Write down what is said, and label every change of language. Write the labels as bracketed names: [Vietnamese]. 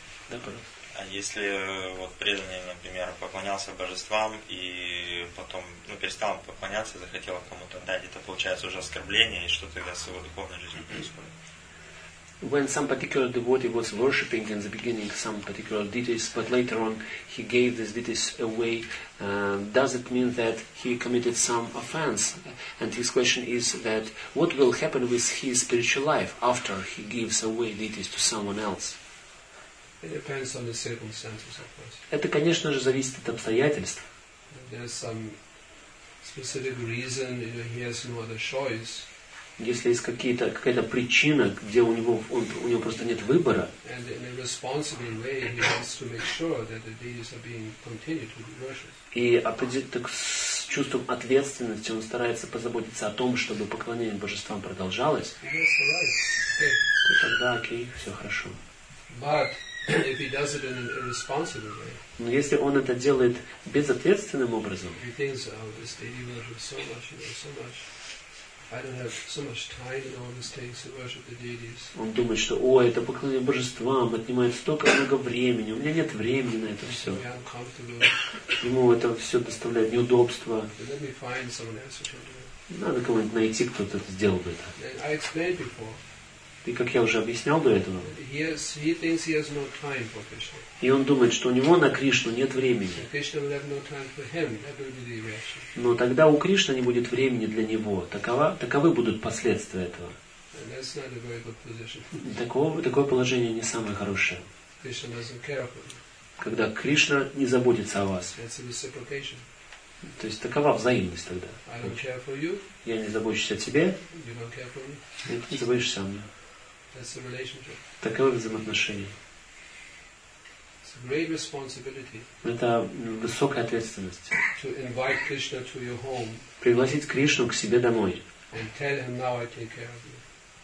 [Russian] Да, пожалуйста. А если вот преданный, например, поклонялся божествам и потом перестал им поклоняться, захотел кому-то отдать, это получается уже оскорбление, и что тогда с его духовной жизнью происходит? [English] When some particular devotee was worshipping in the beginning some particular deities, but later on he gave these deities away, does it mean that he committed some offense? And his question is that what will happen with his spiritual life after he gives away deities to someone else? It depends on the circumstances, of course. [Russian] Это, конечно же, зависит от обстоятельств. [English] There's some specific reason he has no other choice. [Russian] Если есть какая-то причина, где у него просто нет выбора. [English] And in a responsible way, he wants to make sure that the deities are being continued to be worshipped. [Russian] И так с чувством ответственности он старается позаботиться о том, чтобы поклонение божествам продолжалось. [English] Yes, right. [Russian] Okay. Тогда окей, все хорошо. [English] But if he does it in an irresponsible way. [Russian] Но если он это делает безответственным образом. [English] He thinks, oh, this deity worship so much, so much. I don't have so much time in all these things to worship the deities. [Russian] Он думает, что, о, это поклонение божествам отнимает столько много времени. У меня нет времени на это все. Ему это все доставляет неудобства. [English] Let me find someone else who can do it. [Russian] Надо кого-нибудь найти, кто-то это сделал бы это. [English] I explained before. [Russian] И как я уже объяснял до этого. [English] He has no time for Krishna. [Russian] И он думает, что у него на Кришну нет времени. [English] Krishna will have no time for him. That will be the reaction. [Russian] Но тогда у Кришны не будет времени для него. Таковы будут последствия этого. [English] And that's not a very good position. [Russian] Такое положение не самое хорошее. [English] Krishna doesn't care for you. [Russian] Когда Кришна не заботится о вас. [English] That's a reciprocation. [Russian] То есть такова взаимность тогда. [English] I don't care for you. [Russian] Я не забочусь о тебе. [English] You don't care for me. [Russian] И ты не заботишься о мне. [English] That's the relationship. [Russian] Таковы взаимоотношения. [English] It's a great responsibility. [Russian] Это высокая ответственность. [English] To invite Krishna to your home. [Russian] Пригласить Кришну к себе домой. [English] And tell him now I take care of you.